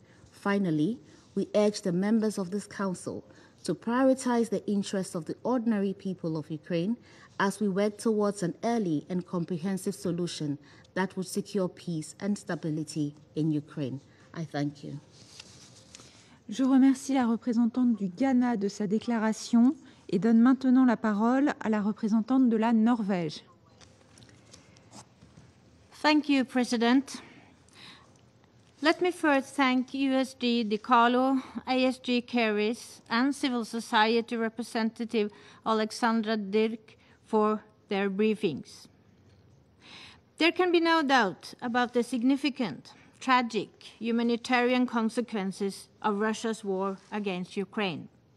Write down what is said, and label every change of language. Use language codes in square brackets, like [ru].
[en] Finally, we urge the members of this Council to prioritize the interests of the ordinary people of Ukraine as we work towards an early and comprehensive solution that would secure peace and stability in Ukraine. I thank you. [fr] Je remercie la représentante du Ghana de sa déclaration et donne maintenant la parole à la représentante de la Norvège. [en] Thank you, President. Let me first thank USG DiCarlo, ASG Keris, and civil society representative Alexandra Dirk for their briefings. There can be no doubt about the significant, tragic humanitarian consequences of Russia's war against Ukraine.